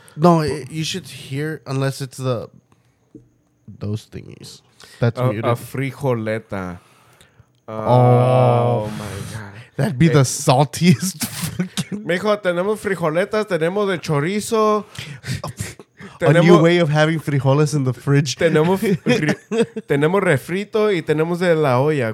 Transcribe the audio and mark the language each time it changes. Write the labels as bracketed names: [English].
[English] No, you should hear unless it's those thingies. That's a frijoleta. My god, that'd be the saltiest. [Spanish] Mijo, tenemos frijoletas, tenemos de chorizo. [English] A new way of having frijoles in the fridge. [Spanish] Tenemos refrito y tenemos de la olla.